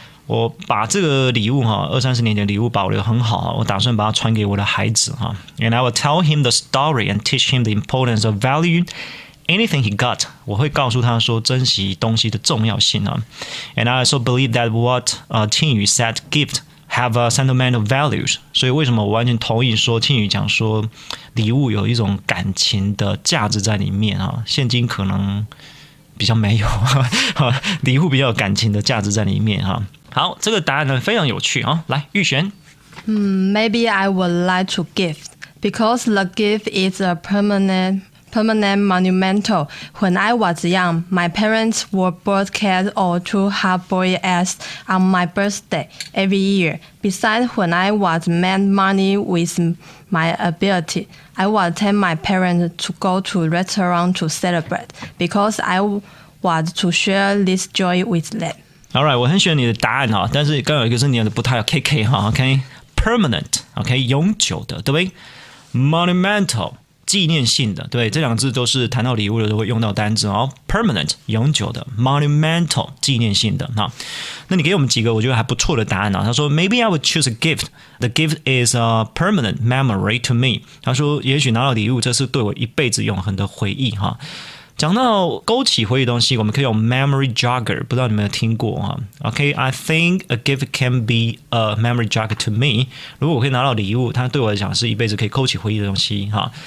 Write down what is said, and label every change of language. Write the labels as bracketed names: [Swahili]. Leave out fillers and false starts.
[Chinese] 我把这个礼物哈，二三十年前礼物保留很好，我打算把它传给我的孩子哈。 [English] And I will tell him the story and teach him the importance of valueAnything he got, [Chinese] 我会告诉他说珍惜东西的重要性啊。 [English] And I also believe that what Qingyu said gift have a sentimental values. [Chinese] 所以为什么我完全同意说Qingyu讲说礼物有一种感情的价值在里面啊。现金可能比较没有礼物比较有感情的价值在里面啊。好，这个答案呢非常有趣啊。来，玉璇。 [English] Maybe I would like to gift because the gift is a permanent monumental. When I was young, my parents were both cared or to have boy asked on my birthday every year. Besides, when I was made money with my ability, I would tell my parents to go to restaurant to celebrate because I want to share this joy with them. [Chinese] All right, 我很喜欢你的答案哈，但是刚有一个是你的不太 KK 哈 ，OK? Permanent, OK? 永久的，对不对 ？Monumental. 纪念性的，对，这两个字都是谈到礼物的时候会用到单字哦。 Permanent 永久的 ，monumental 纪念性的哈。那你给我们几个我觉得还不错的答案啊。他说 [English] ，Maybe I would choose a gift. The gift is a permanent memory to me. [Chinese] 他说，也许拿到礼物，这是对我一辈子永恒的回忆哈。讲到勾起回忆的东西，我们可以用 memory jogger， 不知道你们有听过哈 ？OK， [English] I think a gift can be a memory jogger to me。 [Chinese] 如果我可以拿到礼物，它对我来讲是一辈子可以勾起回忆的东西哈。